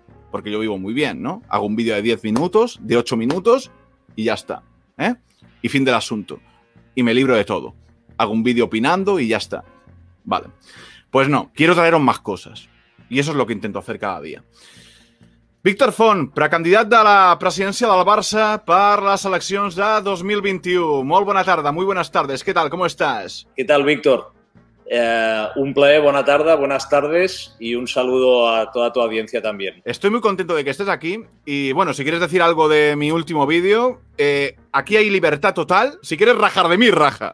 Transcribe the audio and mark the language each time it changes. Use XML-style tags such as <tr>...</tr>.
<es>Porque yo vivo muy bien, ¿no? Hago un vídeo de 10 minutos, de 8 minutos, y ya está. ¿Eh? Y fin del asunto. Y me libro de todo. Hago un vídeo opinando y ya está. Vale. Pues no, quiero traeros más cosas. Y eso es lo que intento hacer cada día.</es> <ca>Víctor Font, precandidat de la presidència del Barça per les eleccions de 2021. Molt bona tarda,</ca> <es>muy buenas tardes. ¿Qué tal? ¿Cómo estás? ¿Qué tal, Víctor?</es> <ca>Un plaer, bona tarda,</ca> <es>buenas tardes y un saludo a toda tu audiencia también. Estoy muy contento de que estés aquí y, bueno, si quieres decir algo de mi último vídeo, aquí hay libertad total. Si quieres rajar de mí, raja.</es>